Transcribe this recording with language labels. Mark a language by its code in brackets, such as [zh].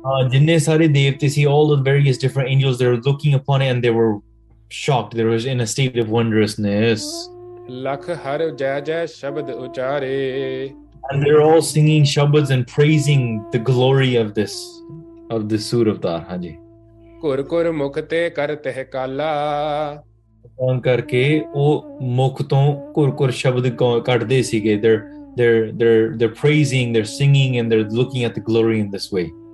[pa] Jinne sare devte si, [en] all the various different angels, they were looking upon it and they were shocked. They were in a state of wondrousness. [pa] ਲਖ ਹਰ ਜੈ ਜੈ ਸ਼ਬਦ ਉਚਾਰੇ। [en] And they're all singing shabads and praising the glory of this Soor Avtar. [pa] Haji. ਕੁਰ ਕੁਰ ਮੁਖ ਤੇ ਕਰ ਤਹ ਕਾਲਾ। ਕੌਣ ਕਰਕੇ ਉਹ ਮੁਖ ਤੋਂ ਕੁਰ ਕੁਰ ਸ਼ਬਦ ਕੱਢਦੇ ਸੀਗੇ? [en] They're praising, they're singing, and they're looking at the glory in this way.